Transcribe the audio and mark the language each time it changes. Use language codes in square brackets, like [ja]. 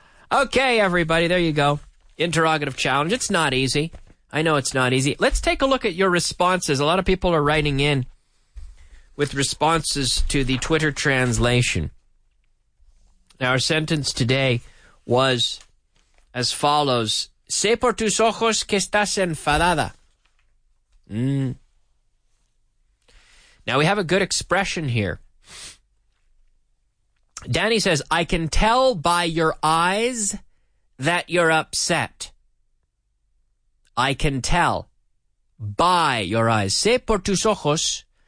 [en] Okay, everybody. There you go. Interrogative challenge. It's not easy. I know it's not easy. Let's take a look at your responses. A lot of people are writing in with responses to the Twitter translation. Now, our sentence today was as follows. [es] Sé por tus ojos que estás enfadada. [en] Now, we have a good expression here. Danny says, I can tell by your eyes that you're upset. I can tell by your eyes. [es] Sé por tus ojos.